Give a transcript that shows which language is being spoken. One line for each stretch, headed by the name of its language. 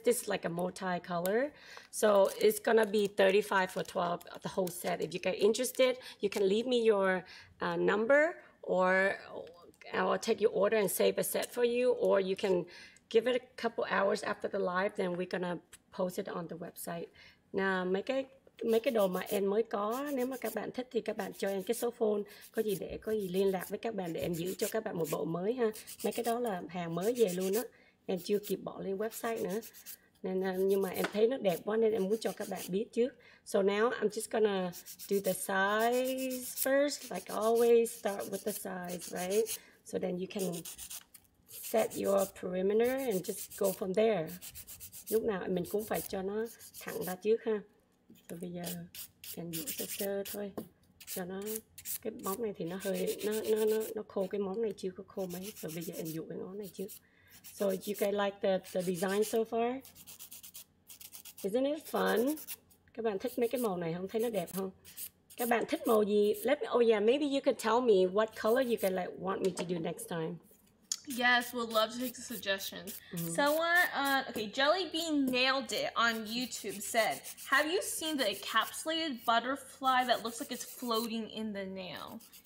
English: This is like a multi-color. So it's going to be $35 for 12, the whole set. If you get interested, you can leave me your number or I'll take your order and save a set for you. Or you can give it a couple hours after the live, then we're going to post it on the website. Now, make it.
Vietnamese: Mấy cái đồ mà em mới có, nếu mà các bạn thích thì các bạn cho em cái số phone, có gì để có gì liên lạc với các bạn để em giữ cho các bạn một bộ mới ha. Mấy cái đó là hàng mới về luôn á, em chưa kịp bỏ lên website nữa. Nên nhưng mà em thấy nó đẹp quá nên em muốn cho các bạn biết trước.
English: So now I'm just gonna do the size first, like always start with the size, right? So then you can set your perimeter and just go from there.
Vietnamese: Lúc nào mình cũng phải cho nó thẳng ra trước ha. Rồi bây giờ em giữ sơ sơ thôi cho nó cái móng này thì nó hơi nó khô, cái móng này chưa có khô mấy, rồi bây giờ em giữ cái ngón này trước.
English: So you guys like the design so far? Isn't it fun?
Vietnamese: Các bạn thích mấy cái màu này không, thấy nó đẹp không? Các bạn thích màu gì?
English: Let me, oh yeah, maybe you could tell me what color you guys like want me to do next time. Yes, would love to take the suggestions. Mm-hmm. Someone, okay, Jelly Bean Nailed It on YouTube said, have you seen the encapsulated butterfly that looks like it's floating in the nail?